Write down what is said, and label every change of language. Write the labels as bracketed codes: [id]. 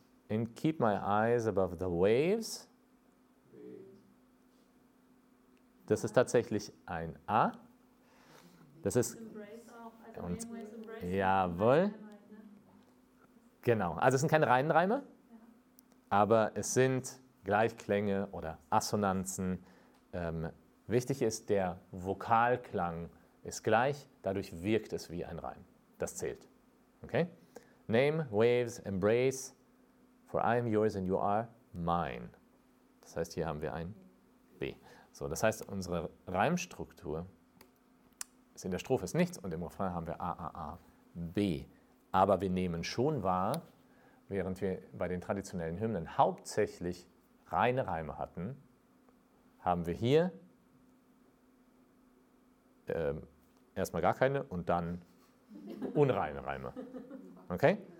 [en] And keep my eyes above the waves. [de] Das ist tatsächlich ein A. Das ist... Und, jawohl. Genau. Also es sind keine reinen Reime, aber es sind Gleichklänge oder Assonanzen. Wichtig ist, der Vokalklang ist gleich, dadurch wirkt es wie ein Reim. Das zählt. Okay? Name, waves, embrace... [en] For I am yours and you are mine. [de] Das heißt, hier haben wir ein B. So, das heißt, unsere Reimstruktur ist in der Strophe ist nichts und im Refrain haben wir A, A, A, B. Aber wir nehmen schon wahr, während wir bei den traditionellen Hymnen hauptsächlich reine Reime hatten, haben wir hier erstmal gar keine und dann unreine Reime. Okay?